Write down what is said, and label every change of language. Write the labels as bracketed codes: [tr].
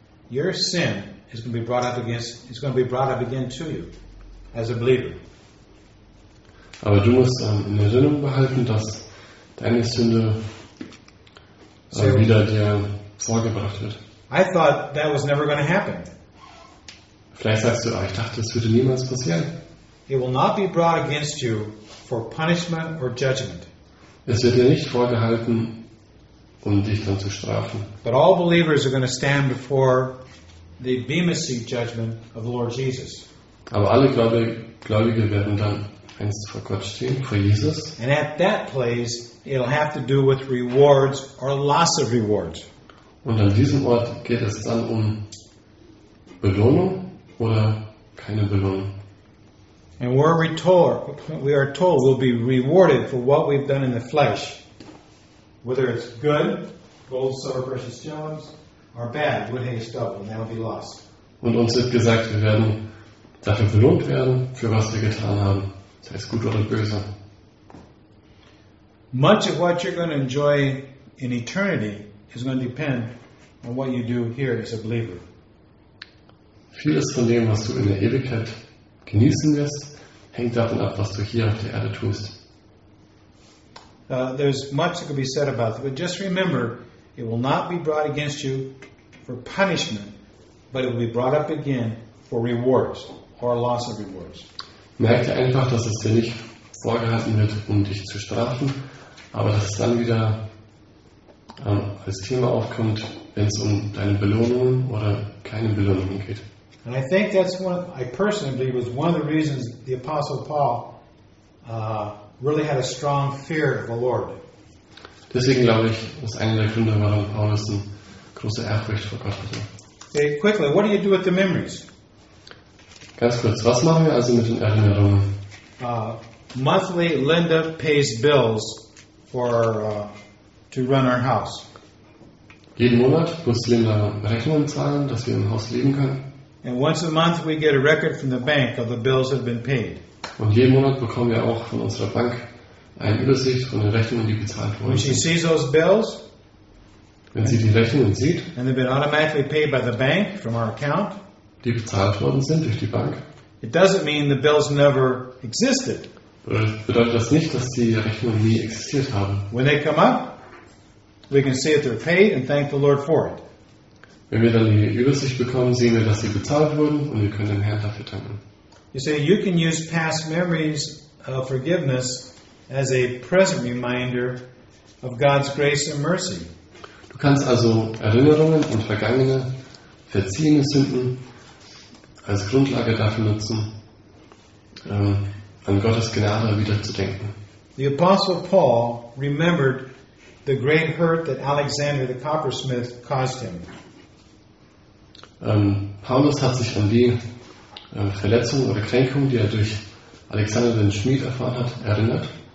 [en] Your sin is going to be brought up against, it's going to be brought up again to you as a believer. [de] Aber du musst in Erinnerung behalten, dass deine Sünde wieder dir vorgebracht wird. [en] I thought that was never going to happen. [de] Vielleicht sagst du, ich dachte, es würde niemals passieren. [en] It will not be brought against you for punishment or judgment. [de] Es wird dir nicht vorgehalten, um dich dann zu strafen. [en] But all believers are going to stand before the Bema Seat judgment of the Lord Jesus. [de] Aber alle Gläubige werden dann einst vor Gott stehen, vor Jesus. [en] And at that place, it'll have to do with rewards or loss of rewards. [de] Und an diesem Ort geht es dann um Belohnung oder keine Belohnung. [en] And we are told we'll be rewarded for what we've done in the flesh, whether it's good, gold, silver, precious stones, or bad, wood, hay, stubble, and that'll be lost. [de] Und uns wird gesagt, wir werden dafür belohnt werden, für was wir getan haben, sei es gut oder böse. [en] Much of what you're going to enjoy in eternity is going to depend on what you do here as a believer. [de] Vieles von dem, was du in der Ewigkeit genießen wirst, hängt davon ab, was du hier auf der Erde tust. [en] There's much that could be said about it, but just remember, it will not be brought against you for punishment, but it will be brought up again for rewards or loss of rewards. [de] Merke einfach, dass es dir nicht vorgehalten wird, um dich zu strafen, aber dass es dann wieder als Thema aufkommt, wenn es um deine Belohnungen oder keine Belohnungen geht. [en] And I think that's one, I personally believe, was one of the reasons the Apostle Paul really had a strong fear of the Lord. [de] Deswegen glaube ich, ist einer der Gründe, warum Paulus eine große Ehrfurcht vor Gott hatte. [en] Okay, quickly, what do you do with the memories? [de] Ganz kurz, was machen wir also mit den Erinnerungen? [en] Monthly, Linda pays bills for to run our house. [de] Jeden Monat muss Linda Rechnungen zahlen, dass wir im Haus leben können. [en] And once a month we get a record from the bank of the bills that have been paid. [de] Und jeden Monat bekommen wir auch von unserer Bank eine Übersicht von den Rechnungen, die bezahlt wurden. [en] When she sees those bills, [de] wenn sie die Rechnungen sieht, [en] and they've been automatically paid by the bank from our account, [de] die bezahlt worden sind durch die Bank, [en] it doesn't mean the bills never existed. [de] Bedeutet das nicht, dass die Rechnungen nie existiert haben. [en] When they come up, we can see that they're paid and thank the Lord for it. [de] Wenn wir dann die Übersicht bekommen, sehen wir, dass sie bezahlt wurden und wir können dem Herrn dafür danken. [en] You see, you can use past memories of forgiveness as a present reminder of God's grace and mercy. [de] Du kannst also Erinnerungen und vergangene, verziehene Sünden als Grundlage dafür nutzen, an Gottes Gnade wieder zu denken. [en] The Apostle Paul remembered the great hurt that Alexander the Coppersmith caused him. [de] Paulus hat sich an die Verletzung oder Kränkung, die er durch Alexander den Schmied erfahren hat, erinnert.